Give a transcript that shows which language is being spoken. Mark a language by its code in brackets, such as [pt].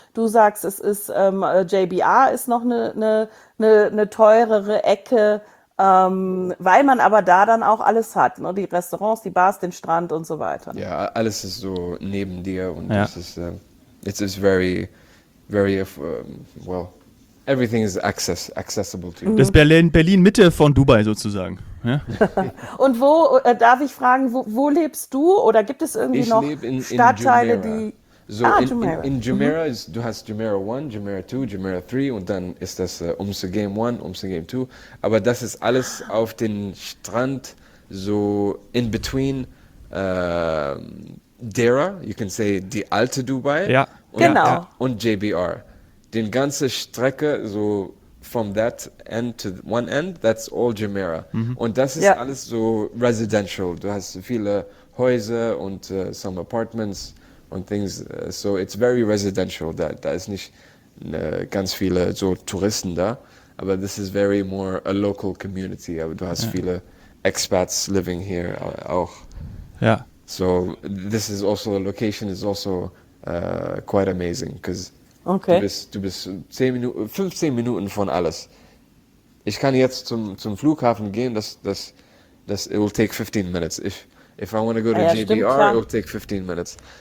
[de] Du sagst, es ist, JBR ist noch eine teurere Ecke, weil man aber da dann auch alles hat, ne? Die Restaurants, die Bars, den Strand und so weiter. Ja, alles ist so neben dir und es ist, [en] it's very, very, well... Everything is accessible to you. [de] Das Berlin Mitte von Dubai sozusagen. Ja? Und wo, darf ich fragen, wo lebst du? Oder gibt es irgendwie ich noch Stadtteile, die... So Jumeirah. In Jumeirah, du hast Jumeirah 1, Jumeirah 2, Jumeirah 3 und dann ist das Umse Game 1, Umse Game 2. Aber das ist alles auf den Strand, so [en] in between Dera, you can say [de] die alte Dubai und JBR. Den ganze Strecke, [en] so from that end to one end, that's all Jumeirah. Mhm. [de] Und das ist alles so residential. Du hast viele Häuser und [en] some apartments und things. So it's very residential. [de] Da ist nicht ganz viele so Touristen da. Aber [en] this is very more a local community. [de] Aber du hast viele Expats [en] living here [de] auch. Ja. [en] So this is also, the location is also quite amazing, because okay. [de] Du bist 15 Minuten von alles. Ich kann jetzt zum Flughafen gehen, das [en] it will take 15 minutes. If I want to go to JBR, it will take 15 minutes.